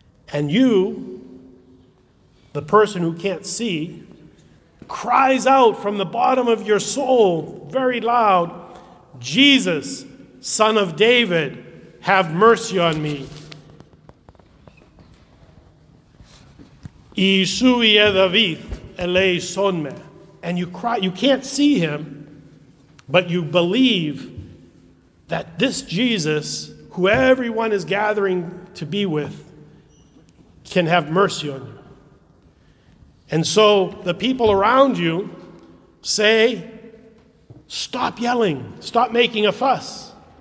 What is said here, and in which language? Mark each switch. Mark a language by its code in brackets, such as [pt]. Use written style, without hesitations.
[en] And you, the person who can't see, cries out from the bottom of your soul very loud, "Jesus, Son of David, have mercy on me." [el] Ιησούε Δαβίδ, ελέησόν με. [en] And you cry, you can't see him, but you believe that this Jesus, who everyone is gathering to be with, can have mercy on you. And so the people around you say, "Stop yelling, stop making a fuss."